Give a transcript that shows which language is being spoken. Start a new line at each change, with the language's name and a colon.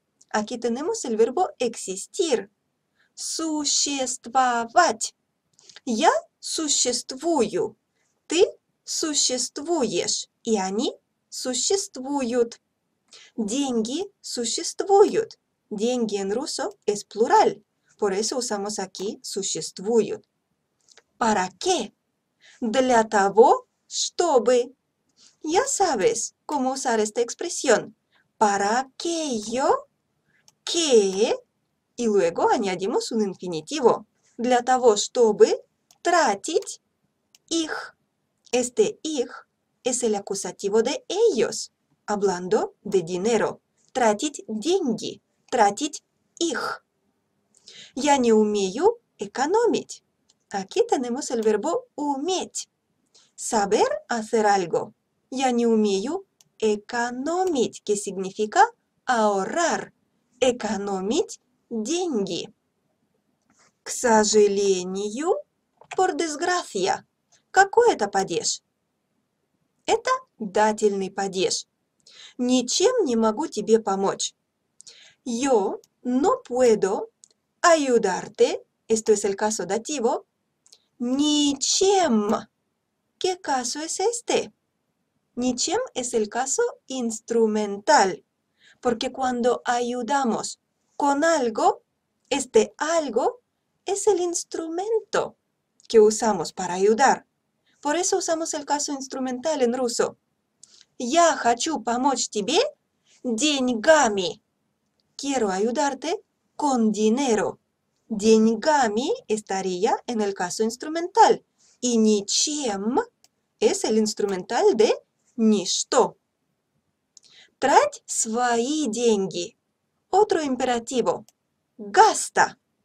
Spanish: Aquí tenemos el verbo existir.
Russian: Существовать. Я существую, ты существуешь, и они существуют. Деньги существуют.
Spanish: Деньги en ruso es plural. Por eso usamos aquí существуют. ¿Para qué?
Russian: Для того, чтобы.
Spanish: Ya sabes cómo usar esta expresión. ¿Para qué yo? ¿Qué? Y luego añadimos un infinitivo.
Russian: Для того, чтобы тратить их.
Spanish: Este их es el acusativo de ellos. Hablando de dinero.
Russian: Тратить деньги. Тратить их. Я не умею экономить.
Spanish: Aquí tenemos el verbo уметь. Saber hacer algo.
Russian: Я не умею экономить,
Spanish: que significa ahorrar.
Russian: Экономить деньги. К сожалению,
Spanish: por desgracia.
Russian: Какой это падеж? Это дательный падеж. Ничем не могу тебе помочь.
Spanish: Yo no puedo ayudarte. Esto es el caso dativo. Ничем. ¿Qué caso es este? Ничем es el caso instrumental. Porque cuando ayudamos con algo, este algo es el instrumento que usamos para ayudar. Por eso usamos el caso instrumental en ruso.
Russian: Я хочу помочь тебе деньгами.
Spanish: Quiero ayudarte con dinero. Деньгами estaría en el caso instrumental. Y ничем es el instrumental de ничто.
Russian: Трать свои деньги.
Spanish: Otro imperativo. Gasta.